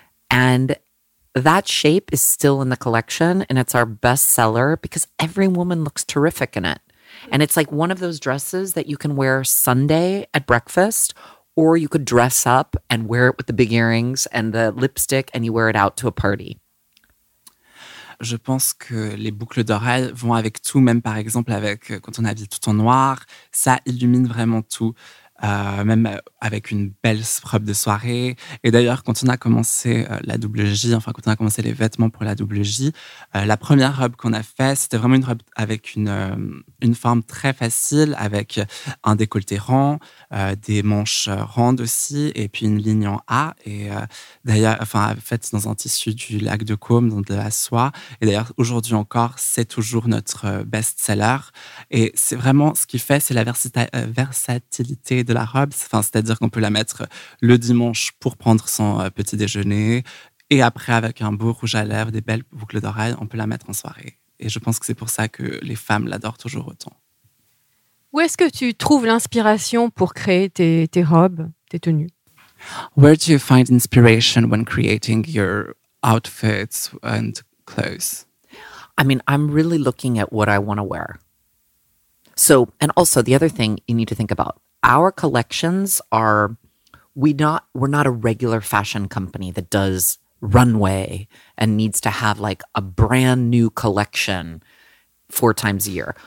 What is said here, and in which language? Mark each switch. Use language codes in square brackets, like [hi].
[en] And that shape is still in the collection and it's our best seller because every woman looks terrific in it. And it's like one of those dresses that you can wear Sunday at breakfast, or you could dress up and wear it with the big earrings and the lipstick and you wear it out to a party. [fr] Je pense que les boucles d'oreilles vont avec tout, même par exemple avec quand on habille tout en noir, ça illumine vraiment tout, même avec une belle robe de soirée. Et d'ailleurs, quand on a commencé la double J, enfin quand on a commencé les vêtements pour la double J, la première robe qu'on a faite, c'était vraiment une robe avec une forme très facile, avec un décolleté rond, des manches rondes aussi, et puis une ligne en A. Et d'ailleurs, enfin, en fait, dans un tissu du lac de Côme, dans de la soie. Et d'ailleurs, aujourd'hui encore, c'est toujours notre best-seller. Et c'est vraiment ce qui fait, c'est la versatilité de la robe. Enfin, c'est-à-dire qu'on peut la mettre le dimanche pour prendre son petit déjeuner. Et après, avec un beau rouge à lèvres, des belles boucles d'oreilles, on peut la mettre en soirée. Et je pense que c'est pour ça que les femmes l'adorent toujours autant. Où est-ce que tu trouves l'inspiration pour créer tes robes, tes tenues? [en] Where do you find inspiration when creating your outfits and clothes? I mean, I'm really looking at what I want to wear. So, and also the other thing you need to think about, our collections are, we're not a regular fashion company that does runway and needs to have like a brand new collection 4 times a year.